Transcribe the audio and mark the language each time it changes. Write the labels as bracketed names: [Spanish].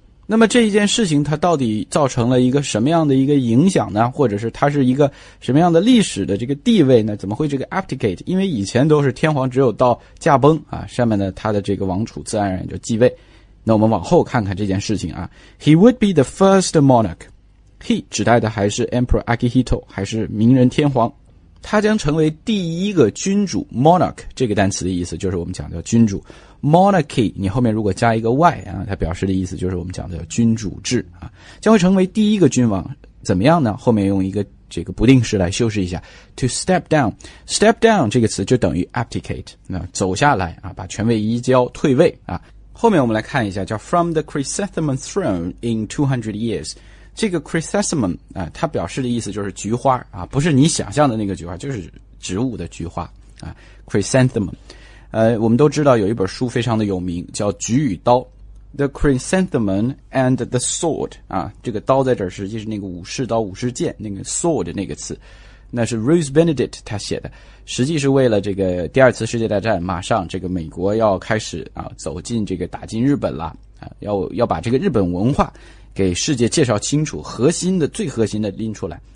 [Chinese] 那么这一件事情它到底造成了一个什么样的一个影响呢？或者是它是一个什么样的历史的这个地位呢？怎么会这个 abdicate? 因为以前都是天皇只有到驾崩啊，下面呢他的这个王储自然而然就继位。那我们往后看看这件事情啊。 [English] He would be the first monarch. [Chinese] He 指代的还是 Emperor Akihito, 还是明仁天皇。他将成为第一个君主 monarch, 这个单词的意思就是我们讲的君主。 monarchy, 你后面如果加一个 y, 啊它表示的意思就是我们讲的君主制啊。将会成为第一个君王怎么样呢，后面用一个这个不定式来修饰一下。 to step down, step down 这个词就等于 abdicate, 那走下来啊，把权位移交退位啊。后面我们来看一下叫 [English] from the chrysanthemum throne in 200 years。 [Chinese] 这个 chrysanthemum, 啊它表示的意思就是菊花啊，不是你想象的那个菊花，就是植物的菊花啊 ,chrysanthemum。我们都知道有一本书非常的有名，叫《菊与刀》The Chrysanthemum and the Sword 啊，这个刀在这儿实际是那个武士刀、武士剑，那个 sword 那个词，那是 Rose Benedict 他写的，实际是为了这个第二次世界大战，马上这个美国要开始啊走进这个打进日本了啊，要把这个日本文化给世界介绍清楚，核心的最核心的拎出来。